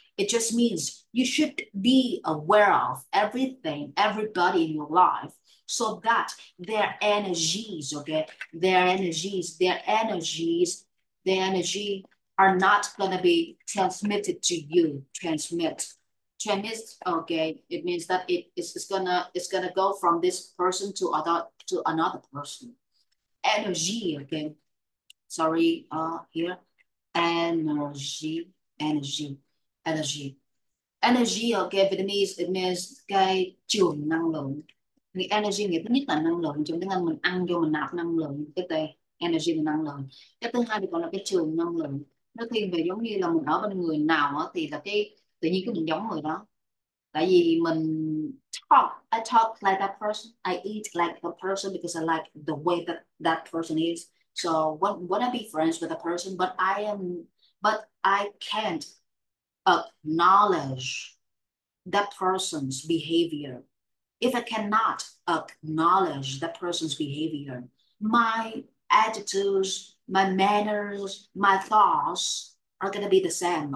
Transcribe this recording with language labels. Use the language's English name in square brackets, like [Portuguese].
[English] It just means you should be aware of everything, everybody in your life, so that their energies, okay, their energy are not gonna be transmitted to you. Transmit, okay, it means that it's gonna go from this person to another person. Energy, okay. Sorry, here. Energy, okay, Vietnamese, it means [Vietnamese] cái trường năng lượng. Thì energy nghĩa thứ nhất là năng lượng, trong tiếng Anh mình ăn vô mình nạp năng lượng, cái tên energy là năng lượng. Cái thứ hai thì còn là cái trường năng lượng. Nó thiên về giống như là mình ở bên người nào á, thì là cái tự nhiên cái mình giống người đó. Tại vì mình talk, [English] I talk like that person. I eat like the person because I like the way that that person is. So wanna be friends with a person, but I can't acknowledge that person's behavior. If I cannot acknowledge that person's behavior, my attitudes, my manners, my thoughts are gonna be the same.